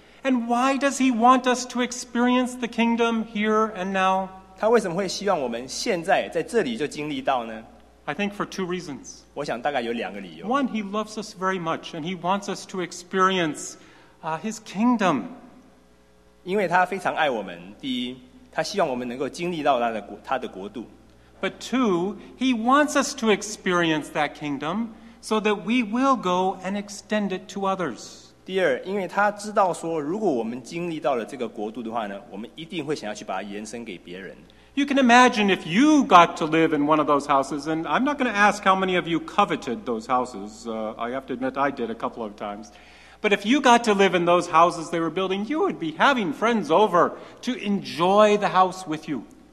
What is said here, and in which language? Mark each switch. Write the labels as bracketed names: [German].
[English] And why does he want us to experience the kingdom here and now? [Chinese] 他为什么会希望我们现在在这里就经历到呢？ [English] I think for two reasons. [Chinese] 我想大概有两个理由。 [English] One, he loves us very much, and he wants us to experience his kingdom. [Chinese] 因为他非常爱我们，第一，他希望我们能够经历到他的国度。 [English] But two, he wants us to experience that kingdom so that we will go and extend it to others. [Chinese] 第二，因为他知道说，如果我们经历到了这个国度的话呢，我们一定会想要去把它延伸给别人。 [English] You can imagine if you got to live in one of those houses, and I'm not going to ask how many of you coveted those houses. I have to admit, I did a couple of times. But if you got to live in those houses they were building, you would be having friends over to enjoy the house with you.